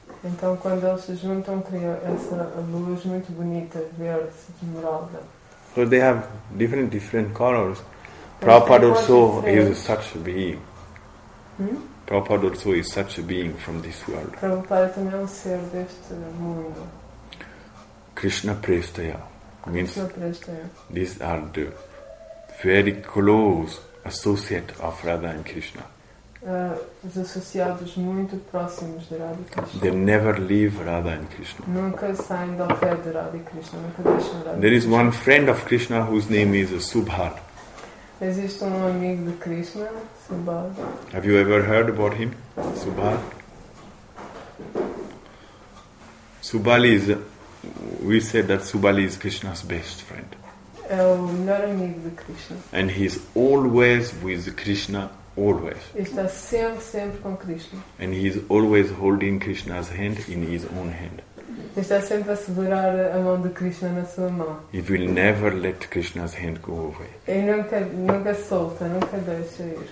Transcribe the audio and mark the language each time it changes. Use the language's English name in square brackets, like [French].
[Portuguese] Então quando eles se juntam cria essa luz muito bonita verde esmeralda. [English] So they have different colors. Prabhupada also is such a being. Hmm? Prabhupada also is such a being from this world. [Portuguese] Prabhupada também é ser deste mundo. [English] Krishna Prestaya means Krishna Prestaya. These are the very close associate of Radha and Krishna. [Portuguese] Os associados muito próximos de Radha e Krishna. [English] They never leave Radha and Krishna. [Portuguese] Nunca saem do pé de Radha e Krishna. Nunca deixam Radha. [English] There is one friend of Krishna whose name is Subhad. [Portuguese] Existe amigo de Krishna, Subhad. [English] Have you ever heard about him, Subhad? Subali is, we said that Subali is Krishna's best friend. [Portuguese] É o melhor amigo de Krishna. [English] And he's always with Krishna. Always. [Portuguese] Está sempre com Krishna. [English] And he is always holding Krishna's hand in his own hand. [Portuguese] Está sempre a segurar a mão de Krishna na sua mão. [English] He will never let Krishna's hand go away. [Portuguese] Ele nunca solta, nunca deixa ir.